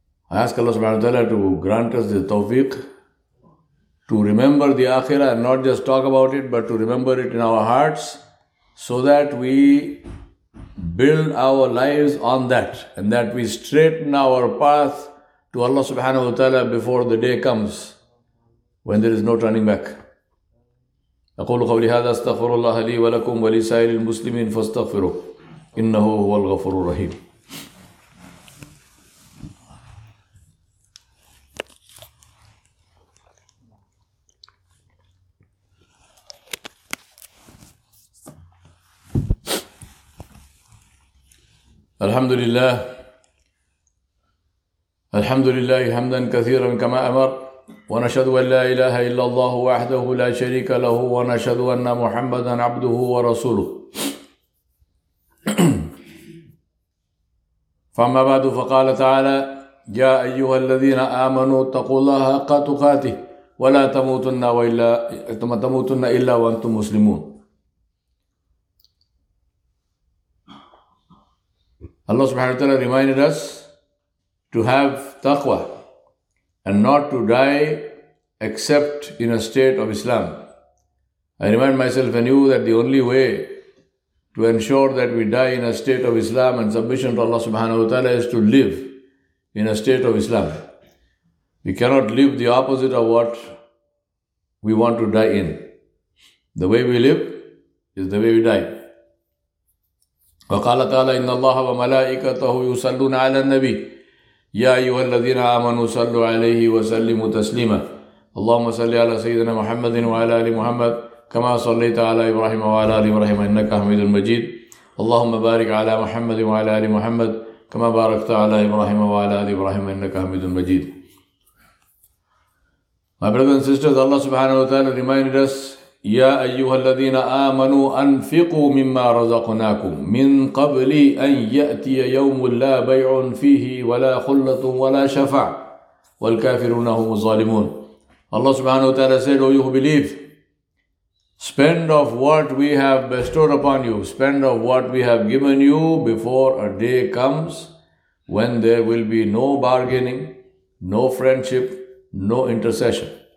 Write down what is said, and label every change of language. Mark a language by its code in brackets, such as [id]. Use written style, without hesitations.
[en] I ask Allah subhanahu wa ta'ala to grant us the tawfiq to remember the Akhirah and not just talk about it, but to remember it in our hearts so that we build our lives on that and that we straighten our path to Allah subhanahu wa ta'ala before the day comes when there is no turning back. [ar] أقول قولي هذا استغفر الله لي ولكم ولسائر المسلمين فاستغفروا إنه هو الغفور الرحيم. Alhamdulillah. Alhamdulillah, hamdan kathiran kama amar. Wa nashadu an la ilaha illallah wahdahu la sharika lahu wa nashadu anna muhammadan abduhu wa rasuluh. فما بعد فقال تعالى يا أيها الذين آمنوا اتقوا الله حق تقاته ولا تموتن وإلا تموتن إلا وأنتم مسلمون. [en] Allah subhanahu wa ta'ala reminded us to have taqwa and not to die except in a state of Islam. I remind myself anew that the only way to ensure that we die in a state of Islam and submission to Allah subhanahu wa ta'ala is to live in a state of Islam. We cannot live the opposite of what we want to die in. The way we live is the way we die. [ar] وَقَالَ تَعَالَىٰ إِنَّ اللَّهَ وَمَلَائِكَتَهُ يُسَلُّونَ عَلَى النَّبِيِّ يَا أَيُّهَا الَّذِينَ آمَنُوا صَلُّوا عَلَيْهِ وَسَلِّمُوا تَسْلِيمًا اللَّهُمَّ صَلِّ عَلَى سَيِّدِنَا مُحَمَّدٍ وَعَلَى آلِ مُحَمَّدٍ كما صليت على إبراهيم وعلى آل إبراهيم إنك حميد مجيد اللهم بارك على محمد وعلى آل محمد كما باركت على إبراهيم وعلى آل إبراهيم إنك حميد مجيد. [en] My brothers and sisters, Allah subhanahu wa ta'ala reminded us, [ar] يا أيها الذين آمنوا أنفقوا مما رزقناكم من قبل أن يأتي يوم لا بيع فيه ولا خلة ولا شفع والكافرون هم الظالمون. [en] Allah subhanahu wa ta'ala said, O you who believe, spend of what we have bestowed upon you, spend of what we have given you before a day comes when there will be no bargaining, no friendship, no intercession.